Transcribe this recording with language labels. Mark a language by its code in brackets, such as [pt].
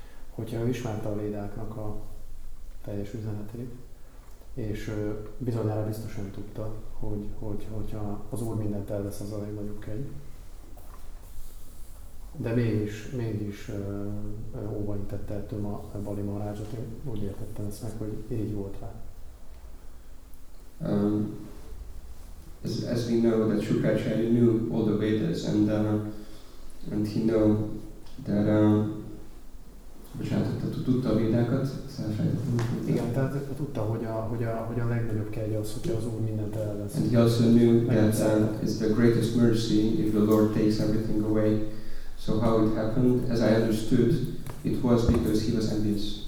[hu] Hogyha ő ismerte a védáknak a teljes üzenetét, és bizonyára biztosan tudta, hogyha az Úr mindent elvesz, az a legnagyobb kegy. De mégis óva intette ettől a Bali Maharádzsot. Én úgy értettem ezt meg, hogy így volt rá. [en] As we know that Shukracharya knew all the Vedas and he knew that [hu] tudta a Vedákat, igen, tehát tudta, hogy a legnagyobb kegye az, hogy az Úr mindent elvesz. [en] And he also knew that it's the greatest mercy if the Lord takes everything away. So how it happened, as I understood, it was because he was envious.